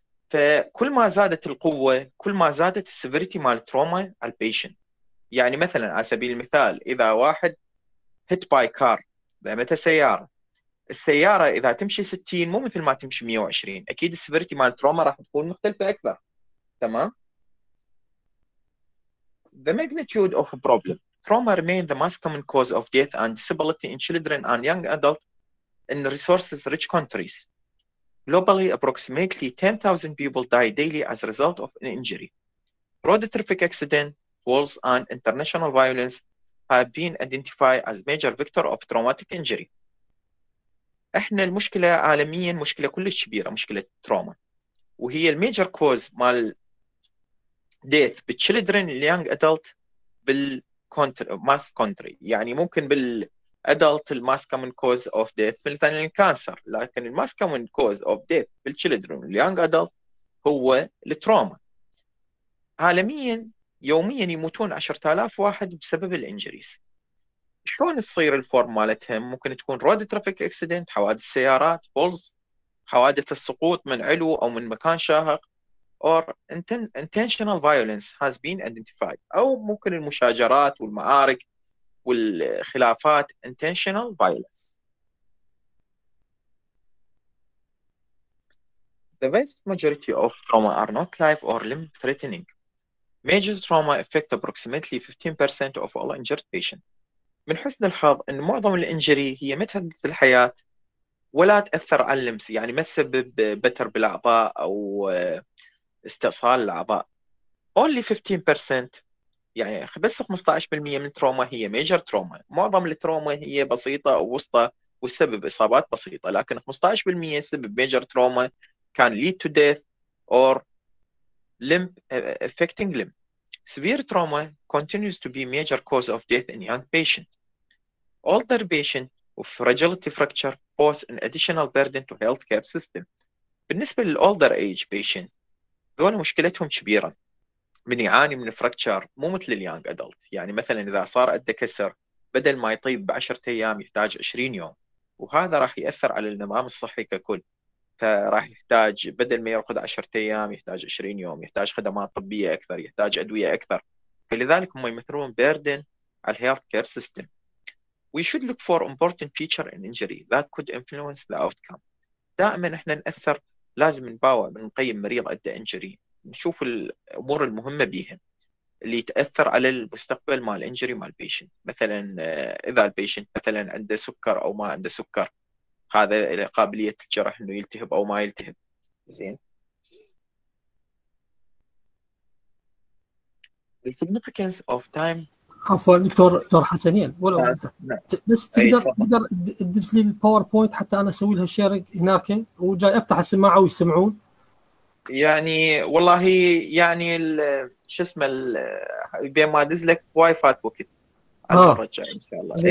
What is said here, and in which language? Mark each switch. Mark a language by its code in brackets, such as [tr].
[ar] فكل ما زادت القوة كل ما زادت السيفيريتي مع التروما على البيشنت. يعني مثلا على سبيل المثال إذا واحد هيت باي كار، إذا مت سيارة، السيارة إذا تمشي 60 مو مثل ما تمشي 120، أكيد السيفيريتي مع التروما راح تكون مختلفة أكثر. تمام؟ [en] The magnitude of a problem. Trauma remains the most common cause of death and disability in children and young adults in resources-rich countries. Globally, approximately 10,000 people die daily as a result of an injury. Road traffic accidents, wars, and international violence have been identified as major vector of traumatic injury. [ar] إحنا المشكلة عالميا مشكلة كلش كبيرة، مشكلة تروما، وهي الميجر كوز مال death بال [en] children and young adult [ar] بالماس كونتري. يعني ممكن بالادلت الماس كومن كوز اوف ديث مثلا الكانسر، لكن الماس كومن كوز اوف ديث بال [en] children and young adult [ar] هو التروما. عالميا يوميا يموتون 10,000 واحد بسبب الانجريز. شلون تصير الفورم مالتها؟ ممكن تكون رود ترافيك اكسيدنت، حوادث سيارات، فولز، حوادث السقوط من علو او من مكان شاهق، [en] or intentional violence has been identified. [ar] أو ممكن المشاجرات والمعارك والخلافات [en] intentional violence. The vast majority of trauma are not life or limb threatening. Major trauma affect approximately 15% of all injured patients. [ar] من حسن الحظ أن معظم الإنجري هي ما تهدد الحياة ولا تأثر على اللمس، يعني ما تسبب بتر بالأعضاء أو استئصال الأعضاء. [en] Only 15%، [ar] يعني بس 15% من التروما هي ميجر تروما. معظم التروما هي بسيطة أو وسطى وسبب إصابات بسيطة، لكن 15% سبب ميجر تروما كان [en] lead to death or limb affecting limb. Severe trauma continues to be major cause of death in young patient. Older patient with fragility fracture pose an additional burden to healthcare system. [ar] بالنسبة لل [en] older age patient [ar] دول مشكلتهم كبيرة، من يعاني من فراكتشر مو مثل اليانج ادلت. يعني مثلا إذا صار عنده كسر بدل ما يطيب بعشرة أيام يحتاج 20 يوم، وهذا راح يأثر على النظام الصحي ككل، فراح يحتاج بدل ما يأخذ 10 أيام يحتاج 20 يوم، يحتاج خدمات طبية أكثر، يحتاج أدوية أكثر. فلذلك هم يمثلون بيردن على الهيلث كير سيستم. [en] We should look for important feature in injury that could influence the outcome. [ar] دائما احنا نأثر، لازم نباوع من نقيم مريض قد انجري، نشوف الامور المهمه بيهم اللي تاثر على المستقبل مال الانجري مال البيشنت. مثلا اذا البيشنت مثلا عنده سكر او ما عنده سكر، هذا قابليه الجرح انه يلتهب او ما يلتهب. زين، [en] the significance of time. [ar] عفوا دكتور حسنين، ولو نعم اذا بس اي تفضل. تقدر تدز لي الباوربوينت حتى انا اسوي لها شيرنج هناك، وجاي افتح السماعه ويسمعون. يعني والله يعني شو اسمه بين ما ادز لك واي فات وقت على اه المره الجايه ان شاء الله. اي